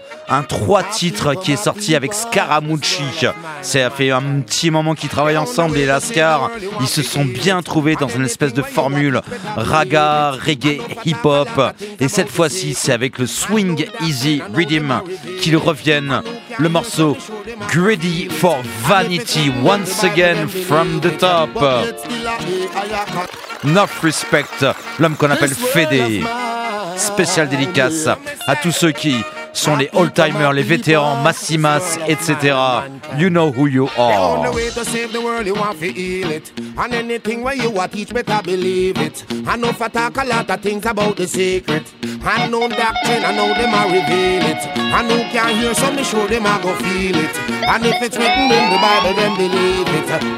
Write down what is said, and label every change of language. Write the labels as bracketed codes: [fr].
[fr] Un 3 titres qui est sorti avec Scaramucci. Ça fait un petit moment qu'ils travaillent ensemble, les Lascar. Ils se sont bien trouvés dans une espèce de formule raga, reggae, hip-hop. Et cette fois-ci, c'est avec le Swing Easy Rhythm qu'ils reviennent. Le morceau Greedy for Vanity, [en] once again from the top. [fr] North Respect, l'homme qu'on appelle Fede. Spécial dédicace à tous ceux qui sont les old-timers, les vétérans, Massimas, etc. [en] You know who you are. The only way to save the world, you want to heal it. And anything where you are teach, better believe it. I know for talk a lot of things about the secret. I know doctrine, I know them are reveal it. I know can hear some, show them I go feel it. And if it's written in the Bible, then believe it.